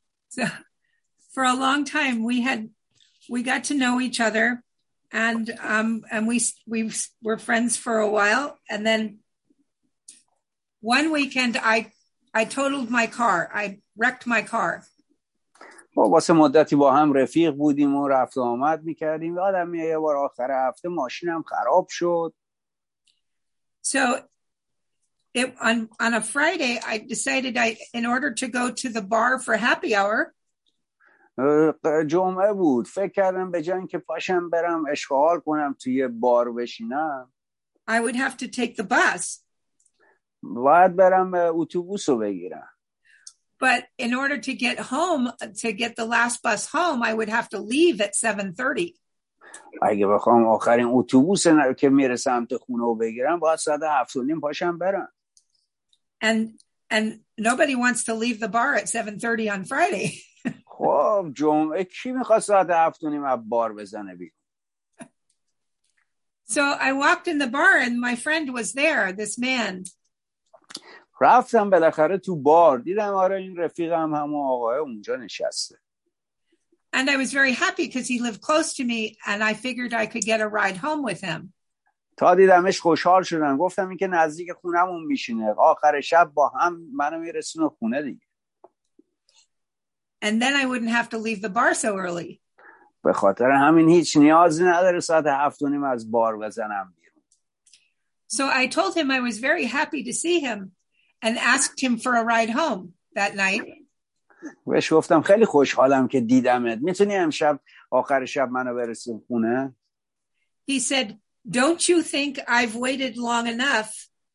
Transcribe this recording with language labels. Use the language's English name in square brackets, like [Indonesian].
[English] So, for a long time we got to know each other and we were friends for a while and then one weekend I totaled my car. I wrecked my car. [Persian] واسه مدتی با هم رفیق بودیم و رفت و آمد میکردیم. یادم میاد یه بار آخر هفته ماشینم خراب شد. [English] So on a Friday I decided in order to go to the bar for happy hour. [Persian] جمعه بود، فکر کردم به جای اینکه پاشم برم اشغال کنم توی بار بشینم، [English] I would have to take the bus. [Persian] باید برم اتوبوس رو بگیرم. [English] But in order to get home, to get the last bus home, I would have to leave at 7:30. [Persian] اگه بخوام آخرین اتوبوس که میره سمت خونه رو بگیرم باید ساعت 7:30 پاشم برم. [English] And nobody wants to leave the bar at 7:30 on Friday. [Persian] خب جمعه کی میخواد ساعت 7:30 از بار بزنه بیرون. [English] So I walked in the bar and my friend was there, this man. [Persian] رفتم بالاخره تو بار، دیدم آره این رفیقم همون آقای اونجا نشسته. [English] And I was very happy because he lived close to me and I figured I could get a ride home with him. [Persian] تا دیدمش خوشحال شدم، گفتم این که نزدیک خونمون میشینه، آخر شب با هم منو میرسونه خونه دیگه. [English] And then I wouldn't have to leave the bar so early. [Persian] به خاطر همین هیچ نیازی نداره ساعت 7:30 از بار بزنم بیرون. [English] So I told him I was very happy to see him. And asked him for a ride home that night. [Persian] بهش گفتم خیلی خوشحالم که دیدمت. میتونی امشب آخر شب منو برسون خونه؟ [English] He said, "Don't you think I've waited long enough?"